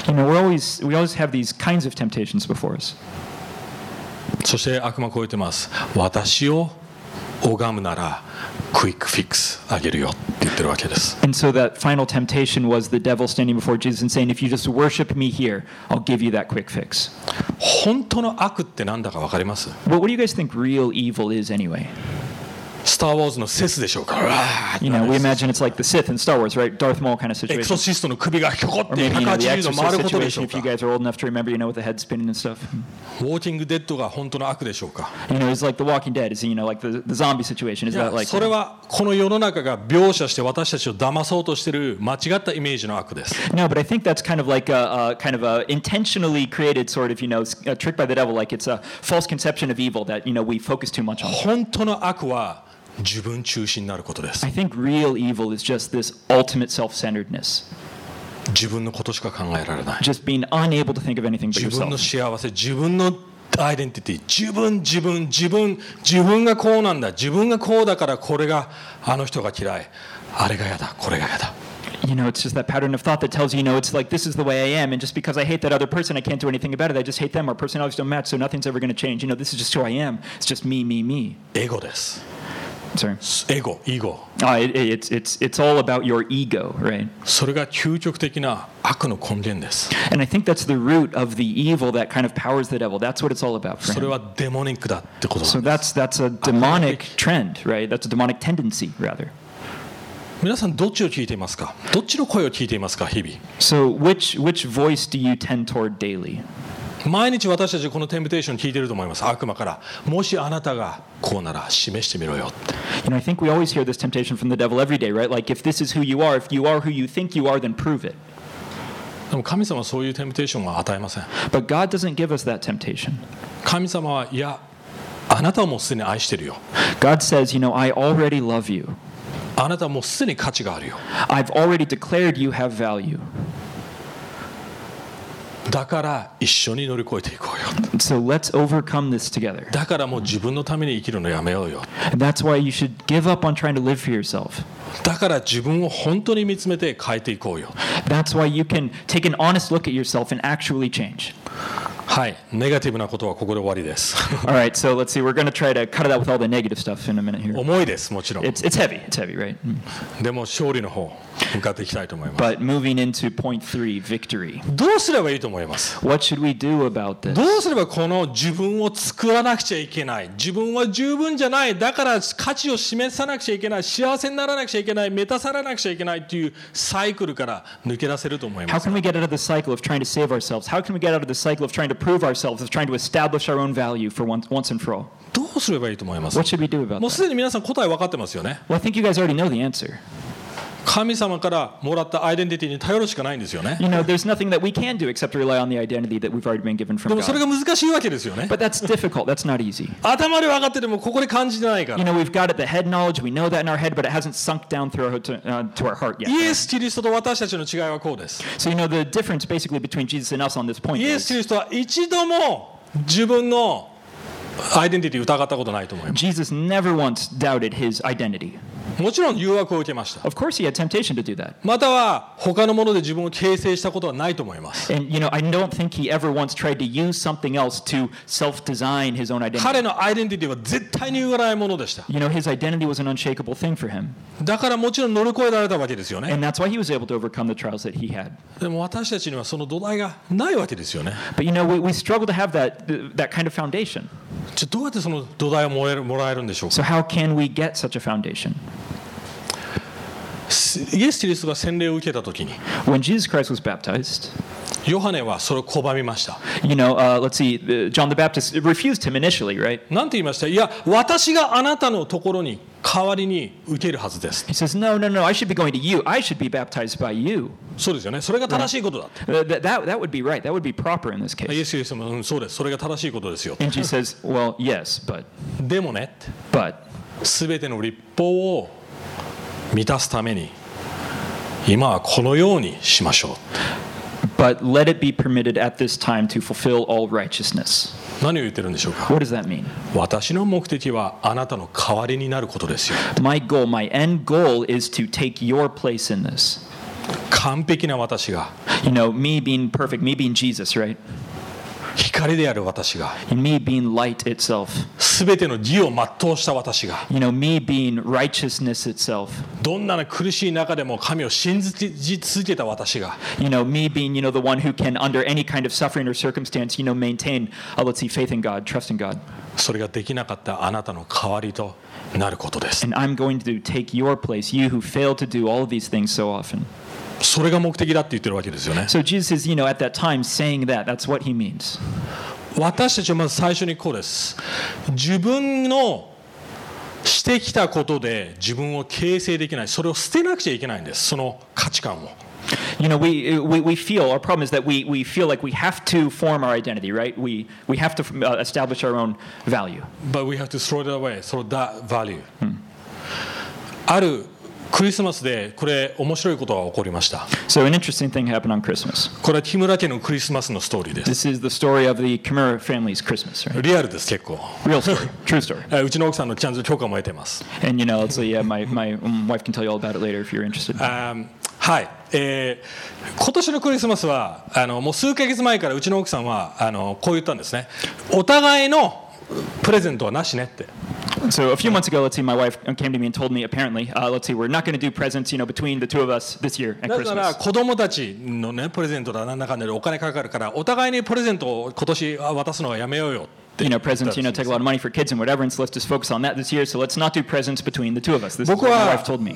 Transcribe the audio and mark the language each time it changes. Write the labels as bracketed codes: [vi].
[en] You know, we always have these kinds of temptations before us. [ja] そして悪魔こう言ってます。私を拝むならクイックフィックスあげるよって言ってるわけです。 [en] And so that final temptation was the devil standing before Jesus and saying, "If you just worship me here, I'll give you that quick fix." [ja] 本当の悪ってなんだかわかります [en] ？But what do you guys think real evil is anyway? [ja] Star Wars のセスでしょうか [en] ？You know, we imagine it's like the Sith in Star Wars, right? Darth Maul kind of situation. [ja] エクソシストの首がひょこって180度回ることでしょうか [en] ？If you guys are old enough to remember, you know, with the head spinning and stuff. [ja] ウォーキングデッドが本当の悪でしょうか。 [en] You know, it's like the Walking Dead, is you know, like the zombie situation. Is that like? [ja] それはこの世の中が描写して私たちを騙そうとしている間違ったイメージの悪です。 [en] No, but I think that's kind of like a intentionally created sort of, you know, a trick by the devil. Like it's a false conception of evil that, you know, we focus too much on. [ja] 本当の悪は自分中心になることです。 [en] I think real evil is just this ultimate self-centeredness. [ja] 自分のことしか考えられない。 [en] Just being unable to think of anything but yourself. [ja] 自分の幸せ、自分のアイデンティティ、自分、自分、自分、自分がこうなんだ、自分がこうだからこれがあの人が嫌い、あれがやだ、これがやだ。 [en] You know, it's just that pattern of thought that tells you, you know, it's like this is the way I am, and just because I hate that other person, I can't do anything about it. I just hate them. Our personalities don't match, so nothing's ever going to change. You know, this is just who I am. It's just me, me, me. [ja] Ego です。 [en] Sorry. Ego, ego. It's all about your ego, right? [ja] それが究極的な悪の根源です。 [en] And I think that's the root of the evil that kind of powers the devil. That's what it's all about for him. [ja] それはデモニックだってことなんです。 [en] So that's a demonic trend, right? That's a demonic tendency, rather. [ja] 皆さんどっちを聞いていますか？どっちの声を聞いていますか？日々。 [en] So which voice do you tend toward daily? [ja] 毎日私たちこのテンプテーション聞いてると思います。悪魔から、もしあなたがこうなら示してみろよ。 [en] You know, I think we always hear this temptation from the devil every day, right? Like, if this is who you are, if you are who you think you are, then prove it. [ja] でも神様はそういうテンプテーションは与えません。 [en] But God doesn't give us that temptation. [ja] 神様は、いや、あなたはもうすでに愛してるよ。 [en] God says, you know, I already love you. [ja] あなたはもうすでに価値があるよ。 [en] I've already declared you have value. [ja] だから一緒に乗り越えていこうよ。 [en] So let's overcome this together. [ja] だからもう自分のために生きるのやめようよ。 [en] That's why you should give up on trying to live for yourself. [ja] だから自分を本当に見つめて変えていこうよ。 [en] That's why you can take an honest look at yourself and actually change. [ja] はい、ネガティブなことはここで終わりです。 [en] All right, so let's see. We're going to try to cut it out with all the negative stuff in a minute here. [ja] 重いです、もちろん。 [en] It's heavy. It's heavy, right? [ja] でも勝利の方。向かっていきたいと思います。 [en] But moving into point three, victory. [ja] どうすればいいと思います。 [en] What should we do about this? [ja] どうすればこの自分を作らなくちゃいけない。自分は十分じゃない。だから価値を示さなくちゃいけない。幸せにならなくちゃいけない。満たされなくちゃいけないというサイクルから抜け出せると思います。 [en] How can we get out of the cycle of trying to save ourselves? How can we get out of the cycle of trying to prove ourselves, of trying to establish our own value for once and for all? [ja] どうすればいいと思います。 [en] What should we do about [ja] this? もうすでに皆さん答え分かってますよね。 [en] Well, I think you guys already know the answer. [ja] 神様からもらったアイデンティティに頼るしかないんですよね。 [en] You know, there's nothing that we can do except rely on the identity that we've already been given from God. [ja] でもそれが難しいわけですよね。 [en] But that's difficult. That's not easy. [ja] 頭で分かっててもここで感じてないから。 [en] You know, we've got it, the head knowledge. We know that in our head, but it hasn't sunk down through to our heart yet. [ja] イエス・キリストと私たちの違いはこうです。 [en] So you know, the difference basically between Jesus and us on this point [ja] is. イエス・キリストは一度も自分のアイデンティティを疑ったことないと思います。 [en] Jesus never once doubted his identity. [ja] もちろん誘惑を受けました。 [en] Of course he had temptation to do that. [ja] または他のもので自分を形成したことはないと思います。 [en] And you know, I don't think he ever once tried to use something else to self-design his own identity. [ja] 彼のアイデンティティは絶対に揺らないものでした。 [en] You know, his identity was an unshakable thing for him. [ja] だからもちろん乗り越えられたわけですよね。 [en] And that's why he was able to overcome the trials that he had. [ja] でも私たちにはその土台がないわけですよね。 [en] But you know, we struggle to have that kind of foundation. [ja] じゃあどうやってその土台をもらえるんでしょうか。 [en] So how can we get such a foundation? [ja] イエス・キリストが洗礼を受けたときに、 [en] When Jesus Christ was baptized, [ja] ヨハネはそれを拒みました。 [en] You know, let's see, John the Baptist refused him initially, right? [ja] なんて言いました?いや、私があなたのところに代わりに受けるはずです。 [en] He says, no, no, no, I should be going to you. I should be baptized by you. [ja] そうですよね。それが正しいことだ。 [en] That would be right. That would be proper in this case. [ja] イエス・キリストも、うん、そうです。それが正しいことですよ。 [en] And Jesus says, well, yes, but... [ja] でもね、 [en] But... [ja] 全ての律法を満たすために今はこのようにしましょう。 [en] But let it be permitted at this time to fulfill all righteousness. [ja] 何を言ってるんでしょうか? [en] What does that mean? [ja] 私の目的はあなたの代わりになることですよ。 [en] My goal, my end goal is to take your place in this. [ja] 完璧な私が。 [en] You know, me being perfect, me being Jesus, right? [ja] 光である私が。 [en] Me being light itself. [ja] 全ての義を全うした私が。 [en] You know, me being righteousness itself. [ja] どんなの苦しい中でも神を信じ続けた私が。 [en] You know, me being, you know, the one who can, under any kind of suffering or circumstance, you know, maintain, let's see, faith in God, trust in God. [ja] それができなかったあなたの代わりとなることです。 [en] And I'm going to take your place, you who fail to do all of these things so often. それが目的だって言ってるわけですよね。 So Jesus is, you know, at that time saying that. That's what he means. [ja] 私たちはまず最初にこうです。自分のしてきたことで自分を形成できない。それを捨てなくちゃいけないんです。その価値観を。 [en] You know, we feel our problem is that we feel like we have to form our identity, right? We have to establish our own value. But we have to throw it away. Throw that value. ある。 [ja] クリスマスでこれ面白いことが起こりました。 [en] So an interesting thing happened on Christmas. [ja] これは木村家のクリスマスのストーリーです。 [en] This is the story of the Kimura family's Christmas, right? [ja] リアルです結構。 [en] Real story, true story. [ja] うちの奥さんのちゃんと許可も得てます。 [en] And you know, so yeah, my wife can tell you all about it later if you're interested. [ja] はい、今年のクリスマスはもう数ヶ月前からうちの奥さんはこう言ったんですね。お互いのプレゼントはなしねって。 [en] So a few months ago, let's see, my wife came to me and told me, apparently, let's see, we're not going to do presents, you know, between the two of us this year at Christmas. [ja] だから子供たちのね、プレゼントだなんだかんだでお金かかるから、お互いにプレゼントを今年渡すのはやめようよ。 [en] You know, presents, you know, take a lot of money for kids and whatever, and so let's just focus on that this year, so let's not do presents between the two of us. This is what my wife told me.